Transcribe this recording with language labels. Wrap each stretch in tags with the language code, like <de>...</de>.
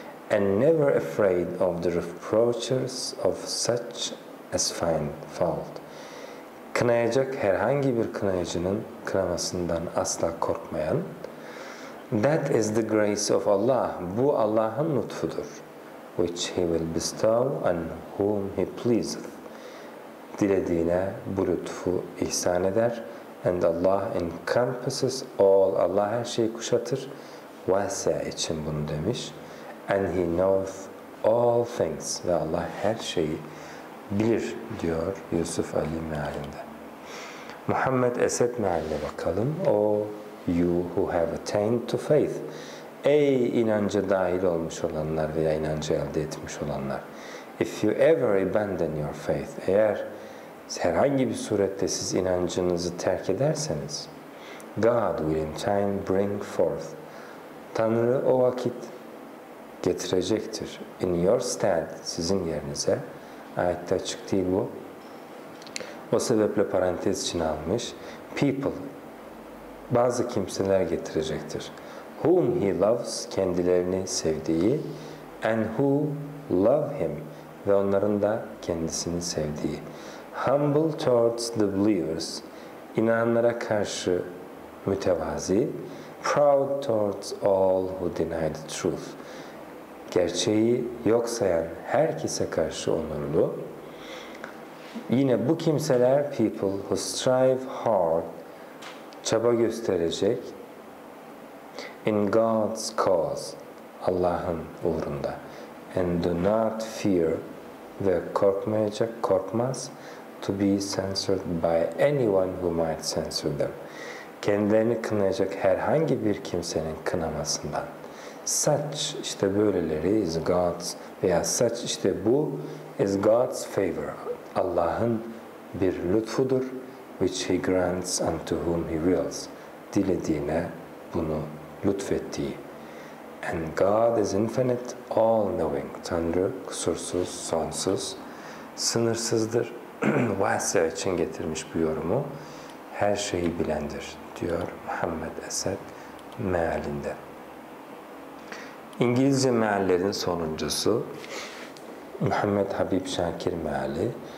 <en>And never afraid of the reproaches of such as find fault.</en> <tr>Kınayacak herhangi bir kınayıcının kınamasından asla korkmayan.</tr> <en>That is the grace of Allah.</en> <tr>Bu Allah'ın lütfudur.</tr> <en>Which he will bestow on whom he pleases.</en> <tr>Dilediğine bu lütfu ihsan eder.</tr> <en>And Allah encompasses all.</en> <tr>Allah her şeyi kuşatır. Vasya için bunu demiş.</tr> <en>And he knows all things.</en> <tr>Ve Allah her şeyi bilir diyor Yusuf Ali mealinde. Muhammed Esed mealine bakalım.</tr> <en>O you who have attained to faith.</en> <tr>Ey inanca dahil olmuş olanlar veya inancı elde etmiş olanlar.</tr> <en>If you ever abandon your faith.</en> <tr>Eğer herhangi bir surette siz inancınızı terk ederseniz.</tr> <en>God will in time bring forth.</en> <tr>Tanrı o vakit getirecektir.</tr> <en>In your stead,</en> <tr>sizin yerinize. Ayette açık değil bu. O sebeple parantez için almış. People, bazı kimseler getirecektir.</tr> <en>Whom he loves,</en> <tr>kendilerini sevdiği.</tr> <en>And who love him,</en> <tr>ve onların da kendisini sevdiği.</tr> <en>Humble towards the believers,</en> <tr>inananlara karşı mütevazi.</tr> <en>Proud towards all who deny the truth.</en> <tr>Gerçeği yok sayan herkese karşı onurlu. Yine bu kimseler</tr> <en>people who strive hard,</en> <tr>çaba gösterecek</tr> <en>in God's cause,</en> <tr>Allah'ın uğrunda.</tr> <en>And do not fear,</en> <tr>ve korkmayacak, korkmaz</tr> <en>to be censored by anyone who might censure them.</en> <tr>Kendilerini kınayacak herhangi bir kimsenin kınamasından.</tr> <en>Such</en> <tr>işte böyleleri</tr> <en>is God's, veya such</en> <tr>işte bu</tr> <en>is God's favor.</en> <tr>Allah'ın bir lütfudur,</tr> <en>which he grants unto whom he wills.</en> <tr>Dilediğine bunu lütfettiği.</tr> <en>And God is infinite, all-knowing.</en> <tr>Tanrı kusursuz, sonsuz, sınırsızdır. Vasya için getirmiş bu yorumu. Her şeyi bilendir, diyor Muhammed Esed mealinde. İngilizce meallerin sonuncusu Muhammed Habib Şakir meali.</tr>